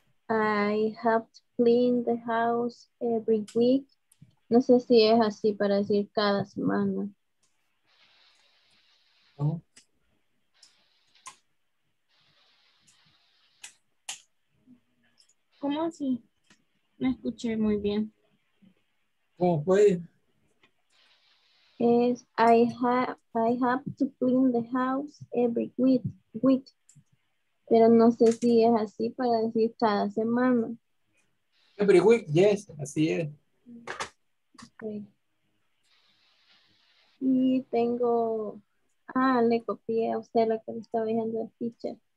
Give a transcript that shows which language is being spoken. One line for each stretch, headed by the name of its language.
English: I have to clean the house every week.
Spanish: No sé si es así para decir cada semana. ¿Cómo así? Me escuché muy bien. ¿Cómo fue?
English: Es I have to clean the house every week.
Spanish: Pero no sé si es así para decir cada semana.
English: Every week, yes,
Spanish: así es. Okay. Y tengo... Ah, le copié a usted lo que me estaba diciendo el teacher.